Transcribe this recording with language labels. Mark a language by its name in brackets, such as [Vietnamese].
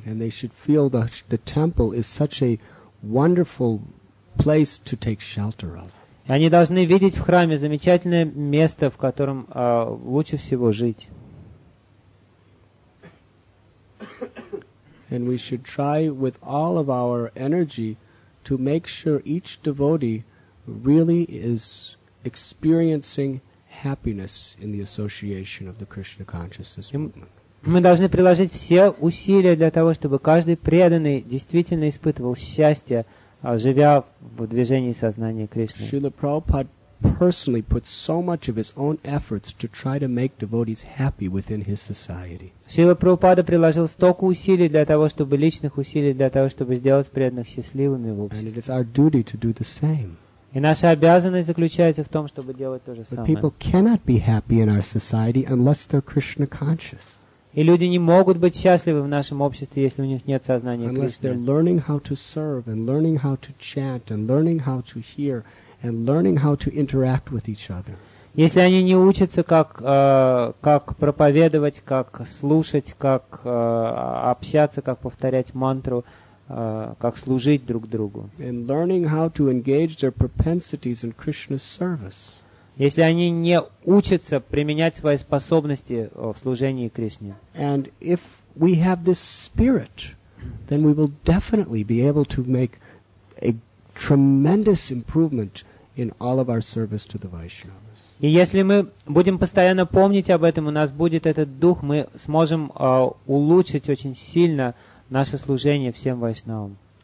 [English] And they should feel that the temple is such a wonderful place to take shelter of. [Russian] И они должны видеть в храме замечательное место, в котором лучше всего жить. [English] And we should try with all of our energy to make sure each devotee really is experiencing happiness in the association of the Krishna consciousness movement. [Russian] Мы должны приложить все усилия для того, чтобы каждый преданный действительно испытывал счастье, живя в движении сознания Кришны. [English] Srila Prabhupada personally put so much of his own efforts to try to make devotees happy within his society. [Russian] Srila Prabhupada приложил столько усилий для того, чтобы личных усилий для того, чтобы сделать преданных счастливыми в обществе. [English] And it is our duty to do the same. [Russian] И наша обязанность заключается в том, чтобы делать то же самое. [English] But people cannot be happy in our society unless they're Krishna conscious. [Russian] И люди не могут быть счастливы в нашем обществе, если у них нет сознания Кришны. [English] Unless they're learning how to serve and learning how to chant and learning how to hear and learning how to interact with each other. [Russian] Если они не учатся, как проповедовать, как слушать, как общаться, как повторять мантру, как служить друг другу. [English] And learning how to engage their propensities in Krishna's service. [Russian] если они не учатся применять свои способности в служении Кришне. [English] And if we have this spirit, then we will definitely be able to make a tremendous improvement in all of our service to the Vaishnavas. [Russian] И если мы будем постоянно помнить об этом, у нас будет этот дух, мы сможем улучшить очень сильно наше служение всем вайшнавам.